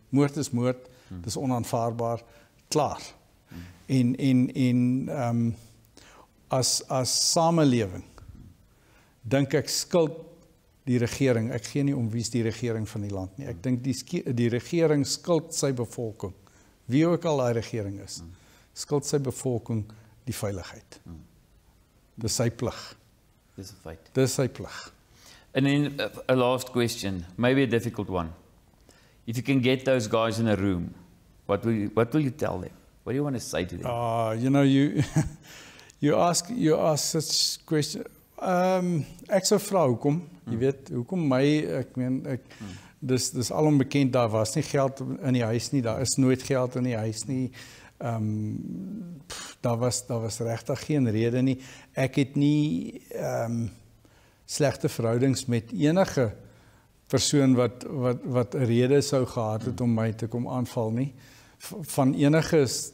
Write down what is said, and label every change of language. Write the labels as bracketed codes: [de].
[af] Moord is moord, dis onaanvaarbaar, klaar. En as samelewing dink ek skuld die regering. Ek gee nie om wie's die regering van die land nie. Ek dink die regering skuld sy bevolking, wie ook al daai regering is. Skuld sy bevolking die veiligheid. Dis sy plig. Dis 'n feit. Dis sy plig. [en] And then a last question, maybe a difficult one. If you can get those guys in a room, what will you tell them? What do you want to say to them? You know, you ask such question. [af] Ek sou vra hoekom, jy weet, hoekom my, ek meen, ek dis alom bekend, daar was nie geld in die huis nie, daar is nooit geld in die huis nie. Daar was regtig geen rede nie. Ek het nie slegte verhoudings met enige persoon wat 'n rede sou gehad het om my te kom aanval nie. Van enige